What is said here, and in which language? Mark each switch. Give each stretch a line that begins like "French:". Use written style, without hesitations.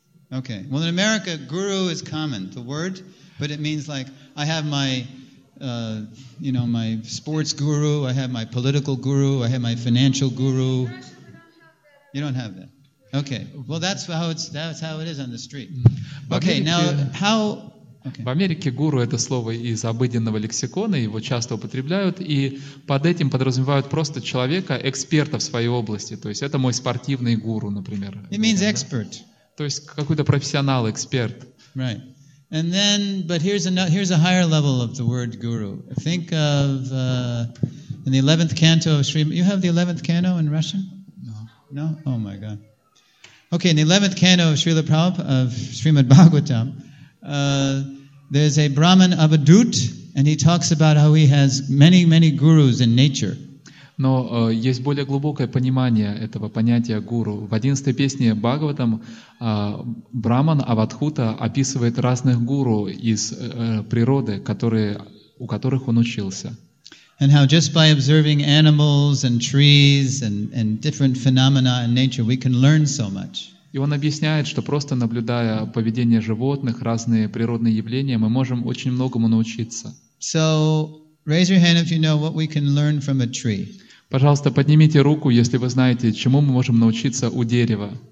English: Okay. Well, in America, guru is common, the word, but it means like I have my, you know, my sports guru, I have my political guru, I have my financial guru. You don't have that. Okay. Well, that's how it is on the street. Okay. Now how. Okay.
Russian: В Америке гуру — это слово из обыденного лексикона, его часто употребляют, и под этим подразумевают просто человека, эксперта в своей области. То есть это мой спортивный гуру, например.
English: It means expert.
Russian: То есть какой-то профессионал, эксперт.
English: Right. And then, but here's a higher level of the word guru. Think of in the 11th canto of Shrimad. You have the 11th canto in Russian? No. No? Oh my God. Okay, in the 11th canto of Srila Prabhupada, of Srimad Bhagavatam, there's a Brahman Avadhut, and he talks about how he has many, many gurus in nature.
Russian: Но есть более глубокое понимание этого понятия гуру. В 11-й песне Бхагаватам Браман Аватхута описывает разных гуру из природы, которые, у которых он учился.
English: And how just by observing animals and trees and different phenomena in nature, we can learn so much.
Russian: И он объясняет, что просто наблюдая поведение животных, разные природные явления, мы можем очень многому научиться.
English: So, raise your hand if you know what we can learn from a tree.
Russian: Пожалуйста, поднимите руку, если вы знаете, чему мы можем научиться у дерева.